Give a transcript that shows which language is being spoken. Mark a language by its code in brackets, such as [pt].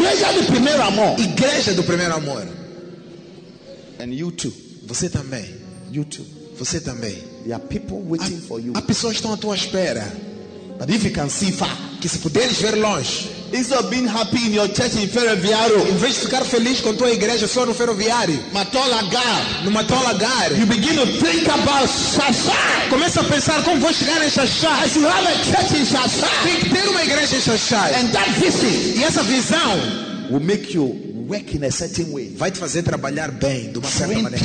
[pt] Igreja do primeiro amor. Igreja do primeiro amor. [en] And you too. [pt] Você também. [en] You too. [pt] Você também. [en] There are people waiting for you. [pt] Há pessoas estão à tua espera. [en] But if you can see far, [pt] que se puderes ver longe. [en] Instead of being happy in your church in Ferroviário, [pt] em vez de ficar feliz com tua igreja só no Ferroviário, [en] Matola Gar, [pt] no Matola Gar, [en] you begin to think about Shashai. [pt] Começa a pensar como vou chegar em Shashai. [en] As you have a church in Shashai, [pt] tem que ter uma igreja em Shashai. [en] And that visit, [pt] e essa visão, [en] will make you work in a certain way. [pt] Vai te fazer trabalhar bem, de uma certa maneira.